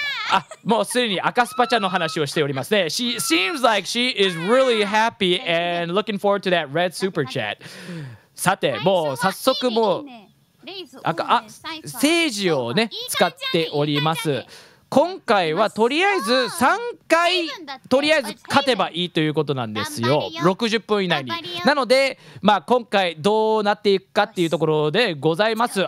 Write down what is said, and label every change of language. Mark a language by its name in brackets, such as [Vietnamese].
[Japanese] あ、もうすでに赤スパチャの話をしておりますね。 [English] She seems like she is really happy and looking forward to that red super chat. [Japanese] さて、もう早速もう赤セージをね使っております。今回はとりあえず3回とりあえず勝てばいいということなんですよ、60分以内に。なので、まあ今回どうなっていくかっていうところでございます。